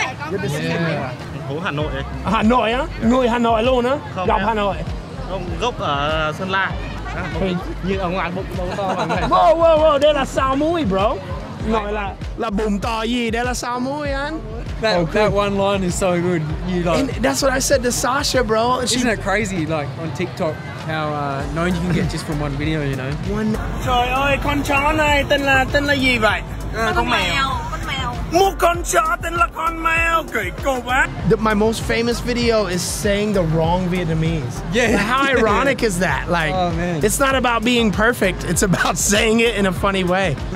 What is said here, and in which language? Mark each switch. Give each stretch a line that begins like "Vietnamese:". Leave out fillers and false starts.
English: Good to see you.
Vietnamese: Hà Nội. Hà Nội á? Người Hà Nội luôn á? Gốc Hà Nội. Gốc ở Sơn La. Như ở ngoài bụng to mà. Whoa, đây là sao mũi, bro. Nói là bụng to gì, đây là sao mũi anh.
English: That one line is so good. You like, and that's what I said to Sasha, bro. She, isn't it crazy, like on TikTok, how known you can get just from one video, you know? One.
Vietnamese: Trời ơi, con chó này tên là gì vậy? Con mèo. Một con chó tên là con mèo. Kỳ cục á.
English: My most famous video is saying the wrong Vietnamese. Yeah. Like, how ironic is that? Like, oh, man. It's not about being perfect. It's about saying it in a funny way.